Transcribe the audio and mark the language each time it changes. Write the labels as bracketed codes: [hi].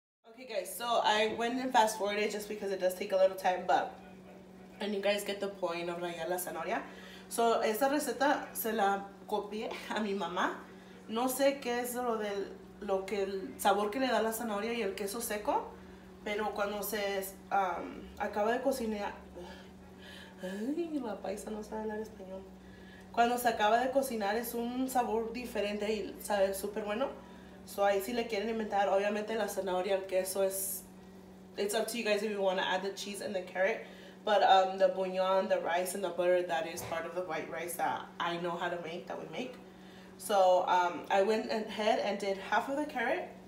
[en] Okay guys, so I went and fast forwarded just because it does take a little time, but, and you guys get the point of [es] la zanahoria. So esta receta se la copié a mi mamá. No sé qué es lo del, lo que el sabor que le da la zanahoria y el queso seco, pero cuando se acaba de cocinar, ay, la paisa no sabe hablar español. Cuando se acaba de cocinar es un sabor diferente y sabe súper bueno. So ahí si le quieren inventar, obviamente la zanahoria, el queso es, [en] it's up to you guys if you want to add the cheese and the carrot, but the bouillon, the rice and the butter, that is part of the white rice that I know how to make, that we make. So I went ahead and did half of the carrot.